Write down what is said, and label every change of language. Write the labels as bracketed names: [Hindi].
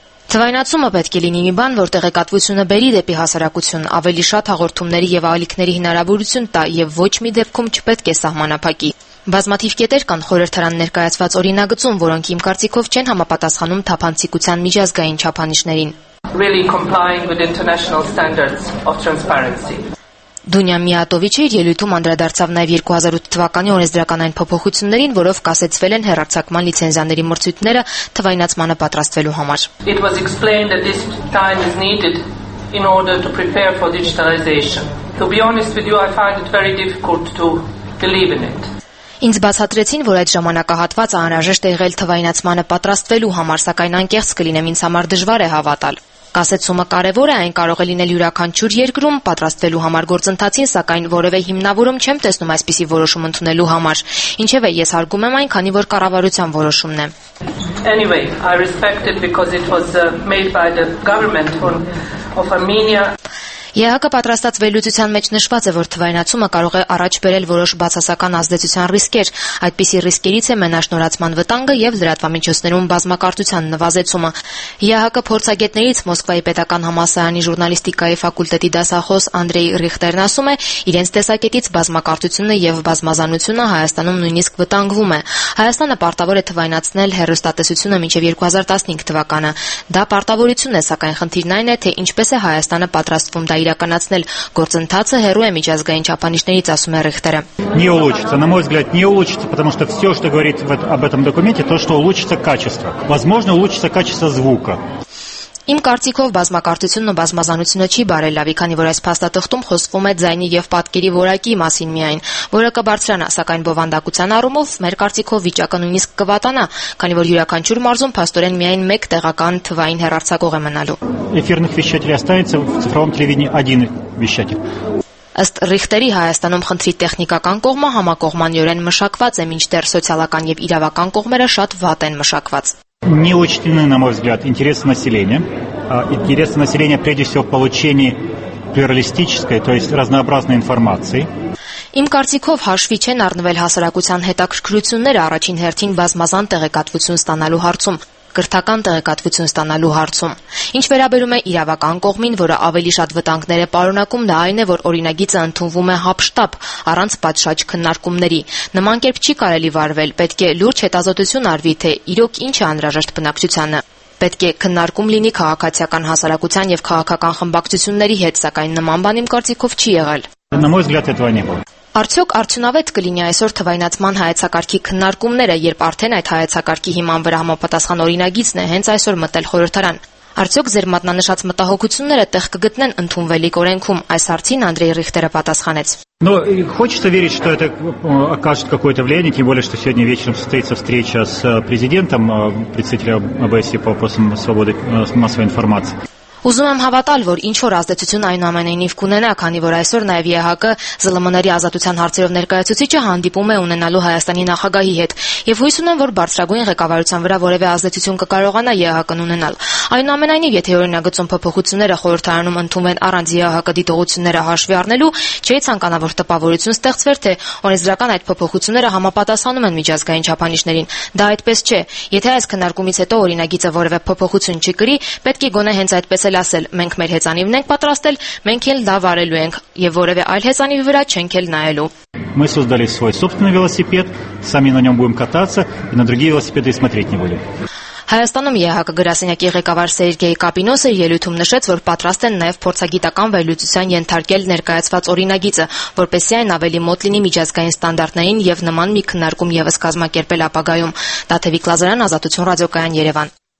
[Armenian] Թվայնացումը պետք է լինի մի բան, որ տեղեկատվությունը բերի դեպի հասարակություն, ավելի շատ հաղորդումների և ալիքների հնարավորություն տա և ոչ մի դեպքում չպետք է սահմանափակի։ Բազմաթիվ կետեր կան խորհրդարան ներկայացված օրինագծում, որոնք իմ կարծիքով չեն համապատասխանում թափանցիկության միջազգային չափանիշներին։ [English] Really complying with international standards of transparency. [Armenian] Դունյա Միատովիչը իր ելույթում անդրադարձավ նաև 2008 թվականի օրենսդրական այն փոփոխություններին, որով կասեցվել են հեռարձակման լիցենզիաների մրցույթները թվայնացմանը պատրաստվելու համար. [English] It was explained that this time is needed in order to prepare for digitalization. To be honest with you, I find it very difficult to believe in it. [Armenian] Ինձ բացատրեցին, որ այդ ժամանակահատվածը անհրաժեշտ է եղել թվայնացմանը պատրաստվելու համար, սակայն անկեղծ կլինեմ, ինձ համար դժվար է հավատալ։ Կասեցումը կարևոր է, այն կարող է լինել յուրաքանչյուր երկրում, պատրաստվելու համար գործընթացին, սակայն որևէ հիմնավորում չեմ տեսնում այսպիսի որոշում ընդունելու համար։ Ինչևէ, ես հարգում եմ այն, քանի որ կառավարության որոշումն է։ [English] Anyway, I respect it because it was made by the government of Armenia. [Armenian] ԵՀԿ պատրաստած վերլուծության մեջ նշված է, որ թվայնացումը կարող է առաջ բերել որոշ բացասական ազդեցության ռիսկեր, այդպիսի ռիսկերից է մենաշնորացման վտանգը և լրատվամիջոցներում բազմակարդության նվազեցումը։ ԵՀԿ փորձագետներից Մոսկվայի պետական համալսարանի ժուռնալիստիկայի ֆակուլտետի դասախոս Անդրեյ Ռիխտերն ասում է, իրենց տեսակետից բազմակարդությունը և բազմազանությունը Հայաստանում նույնիսկ վտանգվում է։ Հայաստանը պարտավոր է թվայնացնել հեռուստատեսությունը մինչև 2015 թվականը։ Դա պարտավորություն է, սակայն խնդիրն այն է, թե ինչպես է Հայաստանը պատրաստվում դա իրականացնել, գործընթացը հեռու է միջազգային չափանիշներից, ասում է Ռիխտերը։ [Russian] Не улучшится, на мой взгляд, не улучшится, потому что все, что говорит об этом документе, то, что улучшится качество. Возможно, улучшится качество звука. [Armenian] Իմ կարծիքով բազմակարդությունն ու բազմազանությունը չի բարելավի, քանի որ այս փաստաթղթում խոսվում է ձայնի և պատկերի որակի մասին միայն, որը կբարձրանա, սակայն բովանդակության առումով մեր կարծիքով վիճակը նույնիսկ կվատանա, քանի որ յուրաքանչյուր մարզում փաստորեն միայն մեկ տեղական թվային հեռարձակող է մնալու։ [Russian] Эфирных вещателей останется в цифровом телевидении один вещатель. [Armenian] Ըստ Ռիխտերի, Հայաստանում խնդրի տեխնիկական կողմը համակողմանիորեն մշակված է, մինչդեռ սոցիալական և իրավական կողմերը շատ վատ են մշակված։ [Russian] Не учтены, на мой взгляд, интересы населения. Интересы населения, прежде всего, в получении плюралистической, то есть разнообразной информации. [Armenian] Իմ կարծիքով հաշվի չեն առնվել հասարակության հետաքրքրությունները առաջին հերթին բազմազան տեղեկատվություն ստանալու հարցում, կրթական տեղեկատվություն ստանալու հարցում։ Ինչ վերաբերում է իրավական կողմին, որը ավելի շատ վտանգներ է պարունակում, դա այն է, որ օրինագիծը ընդունվում է հապշտապ, առանց պատշաճ քննարկումների։ Նմանկերպ չի կարելի վարվել, պետք է լուրջ հետազոտություն արվի, թե իրոք ինչ է անհրաժեշտ բնակչությանը։ Պետք է քննարկում լինի քաղաքացիական հասարակության և քաղաքական խմբակցությունների հետ, սակայն նման բան իմ կարծիքով չի եղել։ Արդյոք արդյունավետ կլինի այսօր թվայնացման հայեցակարգի քննարկումները, երբ արդեն այդ հայեցակարգի հիման վրա համապատասխան օրինագիծն է հենց այսօր մտել խորհրդարան։ Արդյոք ձեր մատնանշած մտահոգությունները տեղ կգտնեն ընդունվելիք օրենքում, այս հարցին Անդրեյ Ռիխտերը պատասխանեց։ [Russian] Но хочется верить, что это окажет какое-то влияние, тем более что сегодня вечером состоится встреча с президентом, представителем ОБСЕ по вопросам свободы массовой информации. [Armenian] Ուզում եմ հավատալ, որ ինչ որ ազդեցություն այնուամենայնիվ կունենա, քանի որ այսօր նաև ԵՀԿ-ը ԶԼՄ-ների ազատության հարցերով ներկայացուցիչը հանդիպում է ունենալու Հայաստանի նախագահի հետ, եւ հույս ունեմ, որ բարձրագույն ղեկավարության վրա որևէ ազդեցություն կկարողանա ԵՀԿ-ն ունենալ։ Այնուամենայնիվ, եթե օրինագծում փոփոխությունները խորհրդարանում ընդունվեն առանց ԵՀԿ-ի դիտողությունները հաշվի առնելու, չի ցանկանա, որ տպավորություն ստեղծվեր, թե օրենսդրական այդ փոփոխությունները համապատասխանում են միջազգային չափանիշներին։ Դա այդպես չէ։ Եթե այս քննարկումից հետո օրինագիծը որևէ փոփոխություն չի կրի, պետք է գոնե հենց այդպես էլ ասել. Մենք մեր հեծանիվն ենք պատրաստել, մենք էլ լավ արելու ենք, եւ որևէ այլ հեծանիվի վրա չենք էլ նայելու։ [Russian] Мы создали свой собственный велосипед, сами на нём будем кататься и на другие велосипеды смотреть не будем. [Armenian] Հայաստանում ԵՀԿ գրասենյակի ղեկավար Սերգեյ Կապինոսը ելույթում նշեց, որ պատրաստ են նաև փորձագիտական վերլուծության ենթարկել ներկայացված օրինագիծը, որպեսզի այն ավելի մոտ լինի միջազգային ստանդարտներին և նման մի քննարկում ևս կազմակերպել ապագայում։ Տաթևիկ Լազարյան, Ազատություն ռադիոկայան, Երևան։